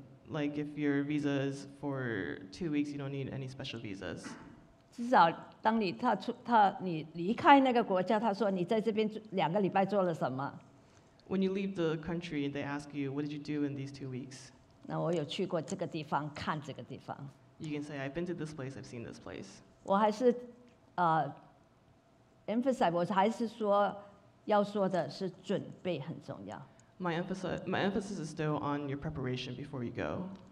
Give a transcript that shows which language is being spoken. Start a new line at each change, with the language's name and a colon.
English: like if your visa is for 2 weeks, you don't need any special visas.
Chinese: 至少当你离开那个国家，他说你在这边两个礼拜做了什么？
English: When you leave the country, they ask you, what did you do in these 2 weeks?
Chinese: 那我有去过这个地方，看这个地方。
English: You can say, I've been to this place, I've seen this place.
Chinese: 我还是, emphasize, 我还是说, 要说的是准备很重要。
English: My emphasis is still on your preparation before you go.